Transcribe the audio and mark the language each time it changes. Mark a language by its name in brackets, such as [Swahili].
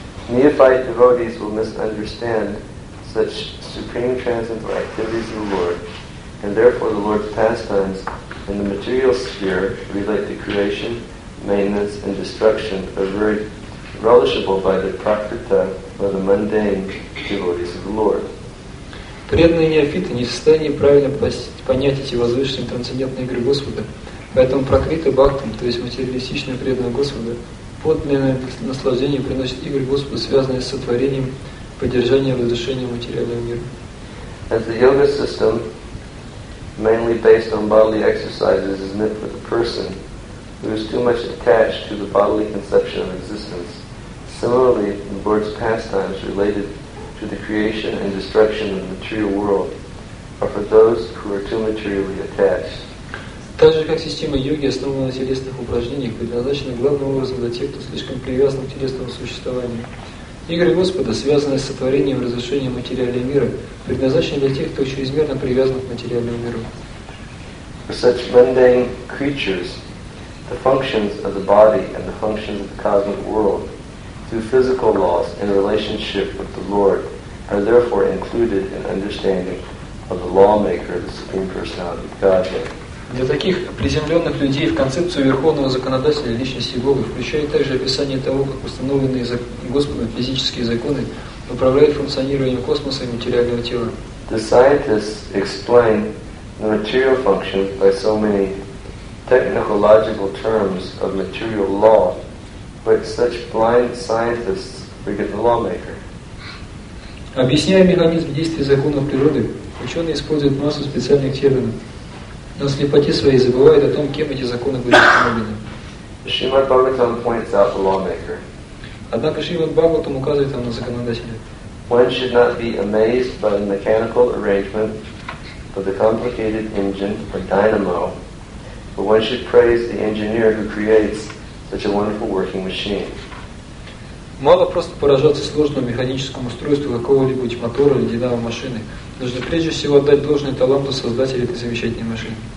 [English] Neophyte devotees will misunderstand such supreme transcendental activities of the Lord, and therefore the Lord's pastimes in the material sphere relate to creation, maintenance, and destruction are very relishable by the prakriti, or the mundane devotees of the Lord. [Russian] Преданные неофиты не в состоянии правильно понять эти возвышенные трансцендентные игры Господа, поэтому прокриты бхактам, то есть материалистичные преданные Господа, подлинное наслаждение приносит игры Господа, связанные с сотворением, поддержанием, разрушением материального мира. [English] As the yoga system, mainly based on bodily exercises, is meant for the person who is too much attached to the bodily conception of existence. Similarly, the Lord's pastimes related to the creation and destruction of the material world are for those who are too materially attached. [Russian] Так же, как система йоги, основанная на телесных упражнениях, предназначена главным образом для тех, кто слишком привязан к телесному существованию. Игры Господа, связанные с сотворением и разрушением материального мира, предназначены для тех, кто чрезмерно привязан к материальному миру. [English] For such mundane creatures, the functions of the body and the functions of the cosmic world through physical laws in relationship with the Lord are therefore included in understanding of the lawmaker, the Supreme Personality of Godhead. [Russian] Для таких приземленных людей в концепцию Верховного Законодателя Личности Бога включает также описание того, как установленные Господом физические законы управляют функционированием космоса и материального тела. [English] The scientists explain the material functions by so many technological terms of material law, but such blind scientists forget the lawmaker. [Russian] Объясняя механизм действия законов природы, ученые используют массу специальных терминов, но слепоте своей забывает о том, кем эти законы были установлены. [English] Шримад Бхагаватам points out the lawmaker. [Russian] Однако Шримад Бхагаватам указывает нам на законодателя. [English] One should not be amazed by the mechanical arrangement of the complicated engine or dynamo, but one should praise the engineer who creates such a wonderful working machine. [Russian] Мало просто поражаться сложному механическому устройству какого-нибудь мотора или динамо-машины. Нужно прежде всего отдать должное таланту создателя этой замечательной машины.